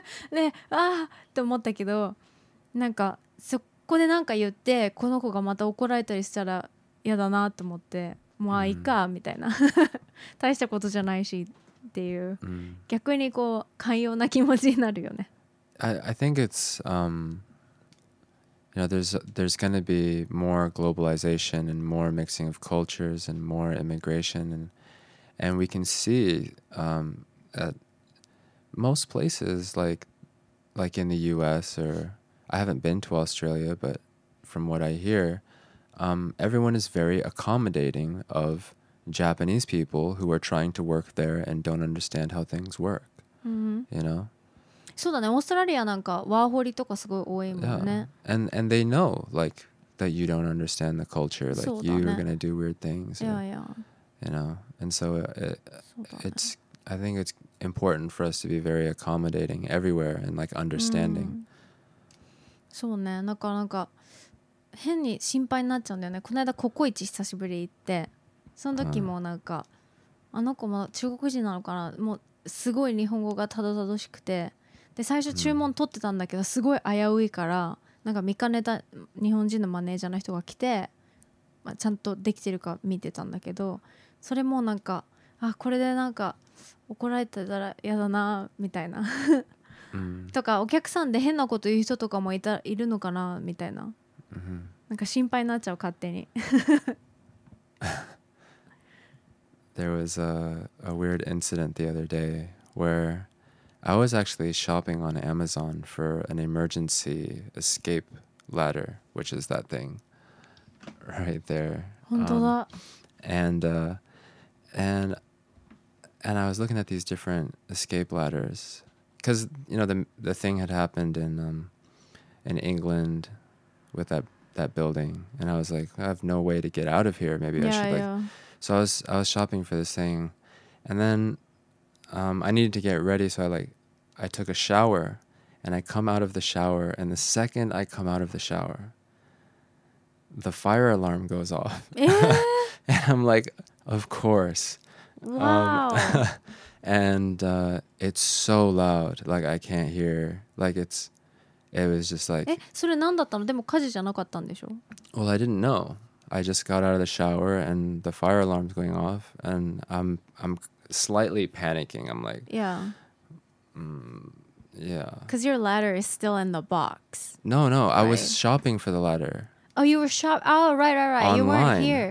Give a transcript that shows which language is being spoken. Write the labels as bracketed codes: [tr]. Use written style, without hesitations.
[ja] でああって思ったけど、なんかそこでなんか言ってこの子がまた怒られたりしたら嫌だなと思って、まあいいかみたいな大したことじゃないしっていう、逆にこう寛容な気持ちになるよね。 [en] I think it's you know, there's going to be more globalization and more mixing of cultures and more immigration, and we can see at most places like in the US, or I haven't been to Australia, but from what I hear, everyone is very accommodating of Japanese people who are trying to work there and don't understand how things work. Mm-hmm. You know? [ja] そうだね。オーストラリアなんかワーホリとかすごい多いもんね。 [en] Yeah. And they know like that you don't understand the culture, like you are going to do weird things. Yeah, yeah. You know? And so it's I think it's important for us to be very accommodating everywhere and like understanding. [ja] そうね。なんか変に心配になっちゃうんだよね。この間ココイチ久しぶり行って、その時もなんか、あの子も中国人なのかな、もうすごい日本語がたどたどしくて、で最初注文取ってたんだけど、すごい危ういからなんか見かねた日本人のマネージャーの人が来て、まあ、ちゃんとできてるか見てたんだけど、それもなんか、あ、これでなんか怒られてたら嫌だなみたいな、うん、とかお客さんで変なこと言う人とかもいるのかなみたいな、なんか心配になっちゃう勝手に [en] There was a weird incident the other day where I was actually shopping on Amazon for an emergency escape ladder, which is that thing right there. [ja] 本当だ。 [en] And I was looking at these different escape ladders because, you know, the thing had happened in England with that building. And I was like, I have no way to get out of here. Maybe I should like... So I was shopping for this thing, and then I needed to get ready, so I took a shower, and I come out of the shower, and the second I come out of the shower, the fire alarm goes off. And I'm like, of course. Wow. It's so loud, like I can't hear. Like it was just like... [ja] それ何だったの？でも火事じゃなかったんでしょ？ [en] Well, I didn't know. I just got out of the shower and the fire alarm's going off and I'm slightly panicking. I'm like, yeah. Yeah. Because your ladder is still in the box. No. Right? I was shopping for the ladder. Oh, you were shopping. Oh, right. Online. You weren't here.